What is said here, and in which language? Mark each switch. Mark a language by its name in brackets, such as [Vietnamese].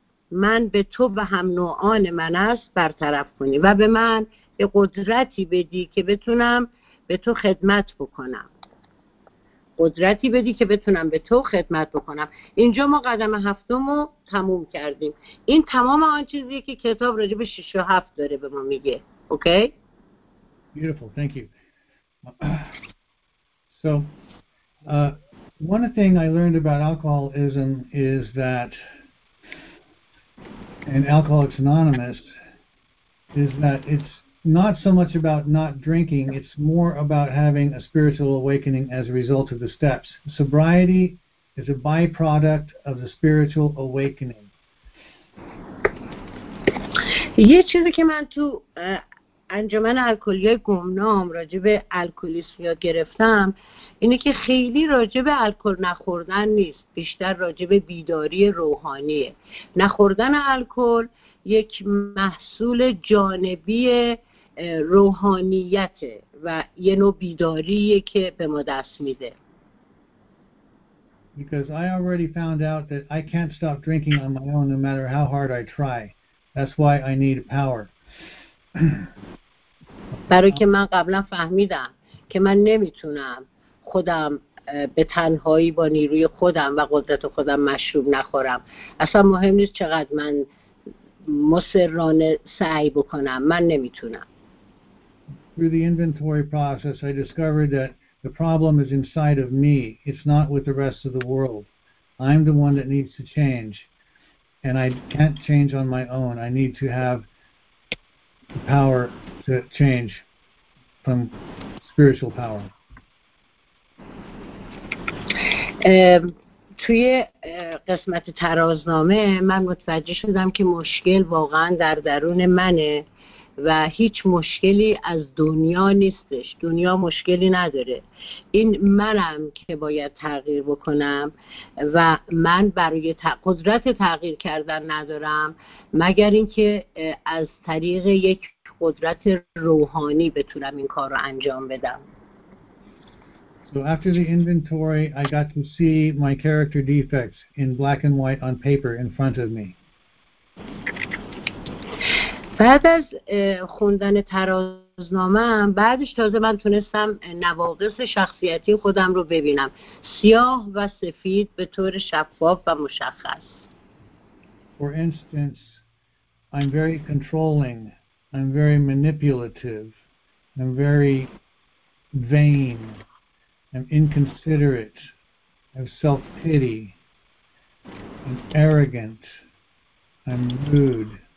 [Persian] من به تو و هم نوعان من است برطرف کنی و به من یه قدرتی بدی که بتونم به تو خدمت بکنم، قدرتی بدی که بتونم به تو خدمت بکنم. اینجا ما قدم هفتمو تموم کردیم. این تمام آن چیزیه که کتاب راجع به 6 و 7 داره به ما میگه. اوکی؟ [English] Beautiful. Thank you. So, one thing I learned about alcoholism is that in Alcoholics Anonymous is that it's not so much about not drinking, it's more about having a spiritual awakening as a result of the steps. Sobriety is a byproduct of the spiritual awakening. [Persian] یه چیزی که من تو انجمن الکلی‌های گمنام راجع به الکلیسم یاد گرفتم اینه که خیلی راجع به الکل نخوردن نیست، بیشتر راجع به بیداری روحانیه. نخوردن الکل یک محصول جانبیه روحانیته و یه نوع بیداریه که به ما دست میده. [English] Because I already found out that I can't stop drinking on my own no matter how hard I try. That's why I need power. [Persian] برای که من قبلا فهمیدم که من نمیتونم خودم به تنهایی با نیروی خودم و قدرت خودم مشروب نخورم. اصلا مهم نیست چقدر من مصرانه سعی بکنم، من نمیتونم. [English] Through the inventory process, I discovered that the problem is inside of me. It's not with the rest of the world. I'm the one that needs to change, and I can't change on my own. I need to have the power to change from spiritual power. [Persian] توی قسمت ترازنامه من متوجه شدم که مشکل واقعا در درون منه و هیچ مشکلی از دنیا نیستش. دنیا مشکلی نداره، این منم که باید تغییر بکنم و من برای قدرت تغییر کردن ندارم مگر اینکه از طریق یک قدرت روحانی بتونم این کار رو انجام بدم. [English] So after the inventory I got to see my character defects in black and white on paper in front of me. [Persian] بعد از خوندن ترازنامه بعدش تازه من تونستم نواقص شخصیتی خودم رو ببینم، سیاه و سفید به طور شفاف و مشخص. [English] For instance, I'm very controlling, I'm very manipulative, I'm very vain, I'm inconsiderate, I'm self-pity, I'm arrogant, I'm rude.